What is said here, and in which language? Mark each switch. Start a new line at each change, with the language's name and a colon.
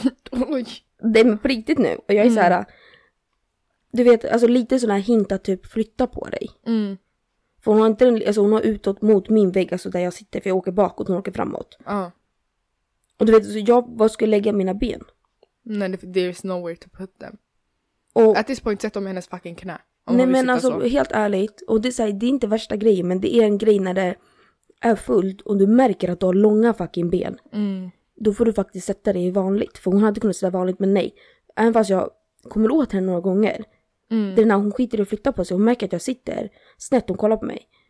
Swedish: Oj. Det är på riktigt nu. Och jag är såhär, du vet, alltså lite sån här hint att typ flytta på dig. Mm. För hon har inte den, alltså hon har utåt mot min vägg, alltså där jag sitter, för jag åker bakåt, hon åker framåt. Ja. Och du vet, så jag bara skulle lägga mina ben.
English: Nej, there's nowhere to put them.
Swedish: Och,
English: at this point,
Swedish: sätt dem i hennes fucking knä. Nej, men alltså, så. Helt ärligt. Och det är, så här, det är inte värsta grejen, men det är en grej när det är fullt. Och du märker att du har långa fucking ben. Mm. Då får du faktiskt sätta dig vanligt. För hon hade kunnat sätta vanligt, men nej. Även fast jag kommer åt henne några gånger. Mm. Det är när hon skiter i att flytta på sig. Hon märker att jag sitter snett och kollar på mig.